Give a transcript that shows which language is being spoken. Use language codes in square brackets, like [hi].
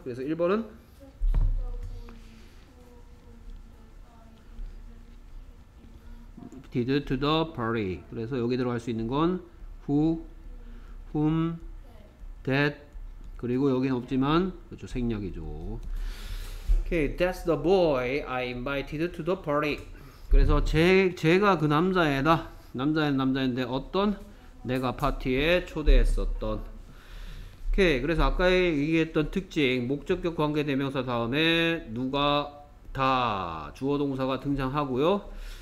[ko] 그래서 1번은 [en] did to the party. [ko] 그래서 여기 들어갈 수 있는 건 who, whom, that. 그리고 여긴 없지만 그렇죠 생략이죠. 오케이. [en] That's the boy I invited to the party. [ko] 그래서 제가 그 남자애다. 남자애인데 어떤? 내가 파티에 초대했었던. 오케이. 그래서 아까 얘기했던 특징 목적격 관계대명사 다음에 누가 다 주어 동사가 등장하고요.